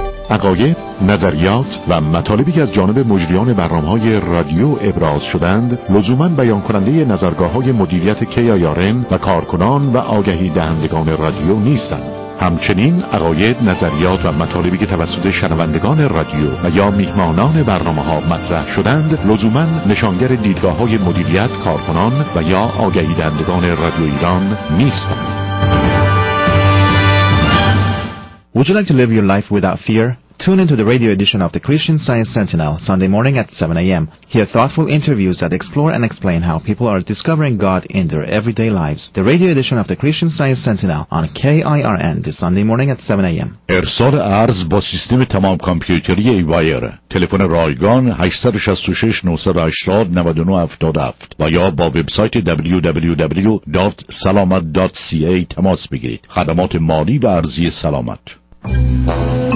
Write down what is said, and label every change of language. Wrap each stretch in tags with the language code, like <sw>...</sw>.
<fa>عقاید، نظریات و مطالبی که از جانب مجریان برنامه‌های رادیو ابراز شدند، لزوماً بیان کننده نظرگاه‌های مدیریت KIRN و کارکنان و آگهی دهندگان رادیو نیستند. همچنین عقاید، نظریات و مطالبی که توسط شنوندگان رادیو و یا میهمانان برنامه‌ها مطرح شدند، لزوماً نشانگر دیدگاه‌های مدیریت، کارکنان و یا آگهی دهندگان رادیو ایران نیستند.</fa> <en>Would you like to live your life without fear? Tune into the radio edition of the Christian Science Sentinel, Sunday morning at 7 a.m. Hear thoughtful interviews that explore and explain how people are discovering God in their everyday lives. The radio edition of the Christian Science Sentinel on KIRN this Sunday morning at 7 a.m.</en> <fa>ارسال عرض با سیستم تمام کامپیوتری ایوایر. تلفن رایگان 866-980-9977 و یا با وبسایت www.salamat.ca تماس بگیرید. خدمات مالی و عرضی سلامت.</fa>